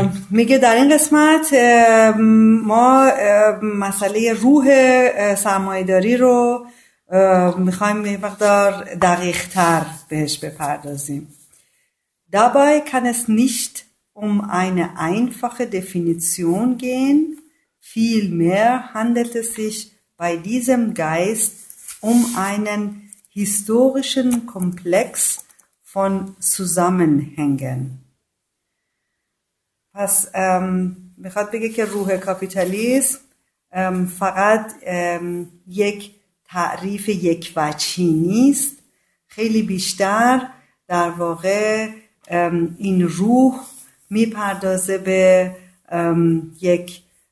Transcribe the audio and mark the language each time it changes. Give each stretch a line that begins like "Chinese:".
Persian: میگه در این قسمت ما مسئله روح سرمایه‌داری رو میخوایم یه مقدار دقیق‌تر بهش بپردازیم.
German: Dabei kann es nicht um eine einfache Definition gehen. Vielmehr handelt es sich bei diesem Geist um einen historischen Komplex von Zusammenhängen.
Persian: پس میخواد بگه که روح کاپیتالیسم فقط یک تعریف یک وجهی نیست، خیلی بیشتر در واقع این روح میپردازه به یک